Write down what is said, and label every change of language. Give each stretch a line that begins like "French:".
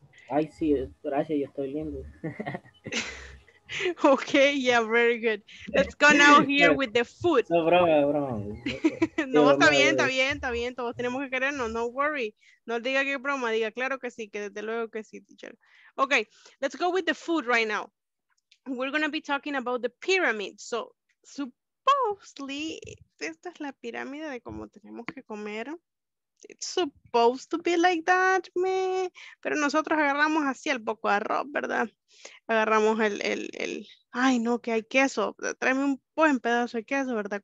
Spanish: Ay, sí, gracias, yo estoy lindo.
English: Okay, yeah, very good. Let's go now here with the food.
Spanish: No, broma, broma. No, está bien, está bien, está bien. Todos tenemos que querernos,
English: no worry.
Spanish: No diga que broma, diga claro que sí, que desde luego que sí, teacher.
English: Okay, let's go with the food right now. We're going to be talking about the pyramid. So, supposedly,
Spanish: esta es la pirámide de cómo tenemos que comer.
English: It's supposed to be like that, me.
Spanish: Pero nosotros agarramos así el poco arroz, ¿verdad? Agarramos el ay, no, que hay queso. Tráeme un buen pedazo de queso, ¿verdad?